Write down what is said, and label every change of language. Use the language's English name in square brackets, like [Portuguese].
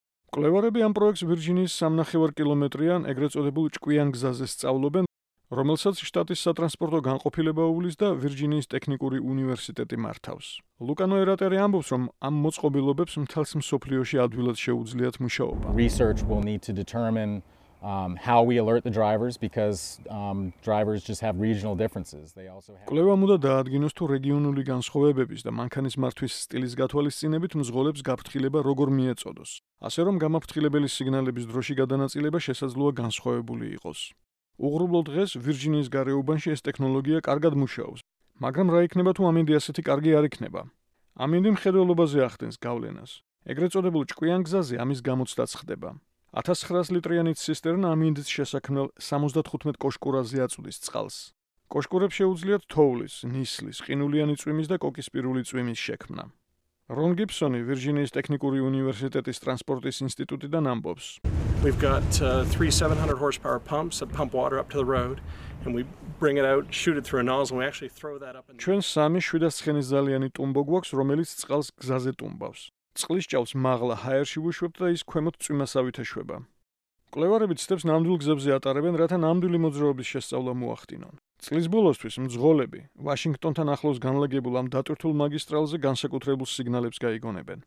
[Georgian] მკვლევარები ამ პროექტს ვირჯინიის 3.5 კილომეტრიან ეგრეთ წოდებულ ჭკვიან გზაზე სწავლობენ, რომელსაც შტატის სატრანსპორტო განყოფილება უვლის და ვირჯინიის ტექნიკური უნივერსიტეტი მართავს. ლუკანო ერატერი ამბობს, რომ ამ მოწყობილობებს მთელს მსოფლიოში ადვილად შეუძლიათ მუშაობა. [English] Research will need to determine how we alert the drivers because drivers just have regional differences. They also have [Georgian] კვლევა უნდა დაადგინოს თუ რეგიონული განსხვავებების და მანქანის მართვის სტილის გათვალისწინებით მძღოლებს გაფრთხილება როგორ მიეწოდოს. ასე რომ გამაფრთხილებელი სიგნალების დროში გადანაწილება შესაძლოა განსხვავებული იყოს. უღრუბლო დღეს ვირჯინიის გარეუბანში ეს ტექნოლოგია კარგად მუშაობს. მაგრამ რა იქნება თუ ამინდი ასეთი კარგი არ იქნება? ამინდი მხედველობაზე ახდენს გავლენას. ეგრეთ წოდებულ ჭკვიან გზაზე ამის გამოცდაც ხდება. 1900 ლიტრიანი ცისტერნა ამინდის შესაქმნელ 75 კოშკურაზე აწვდის წყალს. კოშკურებს შეუძლიათ თოვლის, ნისლის, ყინულიანი წვიმის და კოკისპირული წვიმის შექმნა. რონ გიბსონი ვირჯინიის ტექნიკური უნივერსიტეტის ტრანსპორტის ინსტიტუტიდან ამბობს. [English] We've got 3700 horsepower pumps that pump water up to the road and we bring it out, shoot it through a nozzle and we actually throw that up in [Georgian] ჩვენ 3700 ცხენის ძალიანი ტუმბო გვაქვს, რომელიც წყალს გზაზე ტუმბავს. წყლის ჭავს მაღლა ჰაერში ვუშვებთ და ის ქვემოთ წვიმასავით ეშვება. მკვლევარები ცდებს ნამდვილ გზებზე ატარებენ, რათა ნამდვილი მოძრაობის შესწავლა მოახდინონ. წლის ბოლოსთვის მძღოლები ვაშინგტონთან ახლოს განლაგებულ ამ დატვირთულ მაგისტრალზე განსაკუთრებულ სიგნალებს გაიგონებენ.